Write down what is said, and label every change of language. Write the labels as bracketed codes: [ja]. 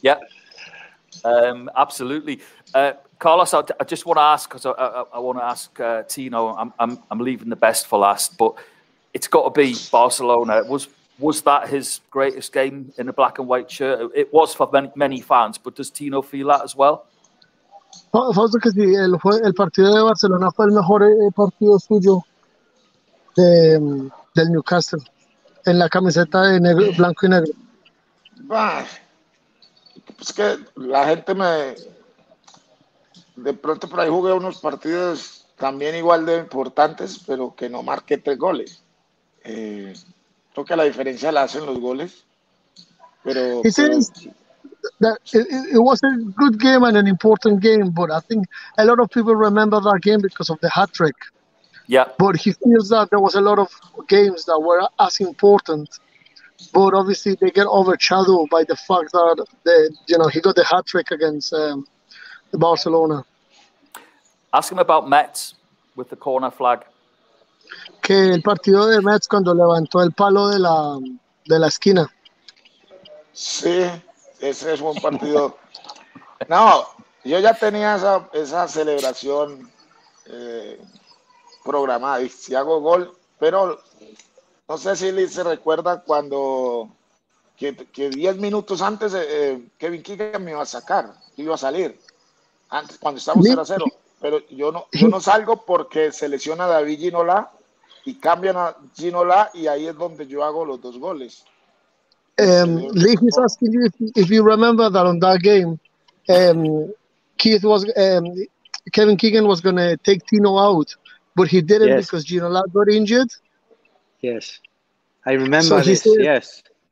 [en] Yeah, absolutely. Carlos, I just want to ask, because I want to ask Tino, I'm leaving the best for last, but it's got to be Barcelona. Was that his greatest game in a black and white shirt? It was for many fans, but does Tino feel that as well? [es] Fausto, que sí, el partido de Barcelona fue el mejor partido suyo del Newcastle, en la camiseta de negro, blanco y negro. Es que la gente me... De pronto por ahí jugué unos partidos también igual de importantes, pero que no marqué 3 goles. Creo que la diferencia la hacen los goles. Pero [en] it was a good game and an important game, but I think a lot of people remember that game because of the hat trick. Yeah. But he feels that there was a lot of games that were as important, but obviously they get overshadowed by the fact that he got the hat trick against Barcelona. Ask him about Mets with the corner flag. [es] Que el partido de Mets cuando levantó el palo de la esquina. Sí, ese es un partido. No, yo ya tenía esa celebración programada. Y si hago gol, pero no sé si se recuerda cuando que 10 minutos antes Kevin Keegan me iba a sacar, iba a salir. antes, cuando estamos 0-0. Pero yo no salgo porque se lesiona David Ginola y cambian a Ginola y ahí es donde yo hago los dos goles. [en] Lee, he's asking you if you remember that on that game, Keith was Kevin Keegan was going to take Tino out, but he didn't because Ginola got injured. Yes, I remember this. Yes.